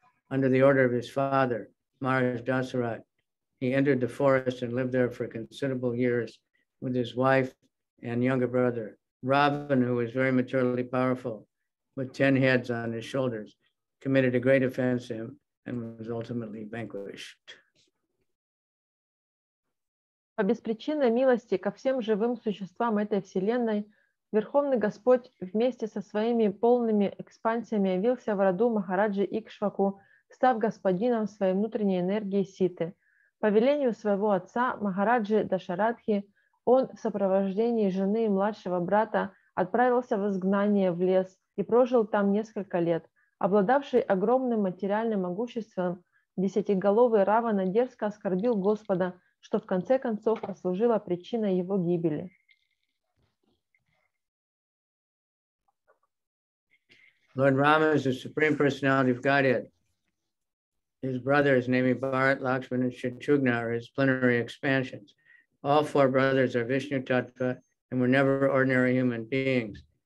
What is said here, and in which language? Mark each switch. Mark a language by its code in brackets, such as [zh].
[en] Under the order of his father, Maharaj Dasarath, he entered the forest and lived there for considerable years with his wife and younger brother, Ravana, who was very materially powerful, with 10 heads on his shoulders. committed a great offensive and was ultimately vanquished. [ru] По беспричинной милости ко всем живым существам этой вселенной Верховный Господь вместе со своими полными экспансиями явился в роду Махараджи Икшваку, став господином своей внутренней энергии Ситы. По велению своего отца Махараджи Дашарадхи, он в сопровождении жены и младшего брата отправился в изгнание в лес и прожил там несколько лет. Обладавший огромным материальным могуществом, десятиголовый Равана дерзко оскорбил Господа, что в конце концов послужило причиной его гибели. [en] Lord Rama is the Supreme Personality of Godhead. His brothers, namely Bharat, Lakshman, and Shatrughna, are his plenary expansions. All four brothers are Vishnu Tattva and were never ordinary human beings.